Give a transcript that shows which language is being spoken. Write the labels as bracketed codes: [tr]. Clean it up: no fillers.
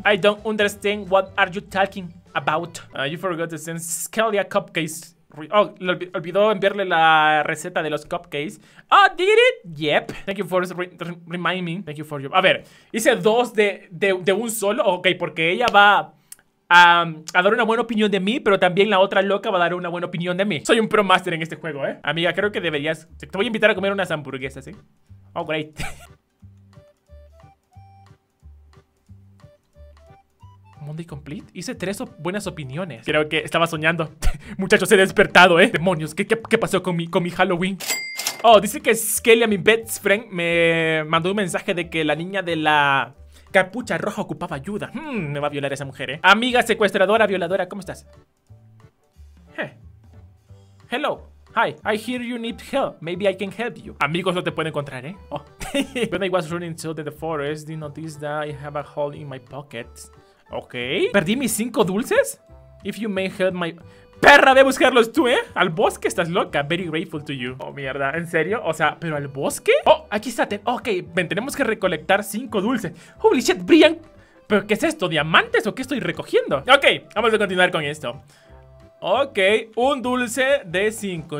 [en] I don't understand what are you talking about. You forgot to send Skelia cupcakes. [es] Oh, le olvidó enviarle la receta de los cupcakes. [en] Oh, did it? Yep. Thank you for reminding me. Thank you for your... [es] A ver, hice 2 de un solo. Ok, porque ella va a dar una buena opinión de mí, pero también la otra loca va a dar una buena opinión de mí. Soy un pro master en este juego, Amiga, creo que deberías... Te voy a invitar a comer unas hamburguesas, ¿sí? [en] Oh, great. [es] Monday Complete. Hice 3 buenas opiniones. Creo que estaba soñando. Muchachos, he despertado, Demonios, ¿qué pasó con mi Halloween? Oh, dice que Skelia, mi best friend, me mandó un mensaje de que la niña de la capucha roja ocupaba ayuda. Me va a violar esa mujer, Amiga secuestradora, violadora, ¿cómo estás? [en] Hello. Hi, I hear you need help. Maybe I can help you. [es] Amigos, no te pueden encontrar, Oh. [en] When I was running to the forest, did notice that I have a hole in my pocket. [es] Ok, ¿perdí mis 5 dulces? [en] If you may help my... [es] ¡Perra, ve a buscarlos tú, Al bosque, estás loca. [en] Very grateful to you. [es] Oh, mierda, ¿en serio? O sea, ¿pero al bosque? Oh, aquí está, ok, ven, tenemos que recolectar 5 dulces. [en] Holy shit, Brian. [es] ¿Pero qué es esto? ¿Diamantes o qué estoy recogiendo? Ok, vamos a continuar con esto. Ok, 1 dulce de 5.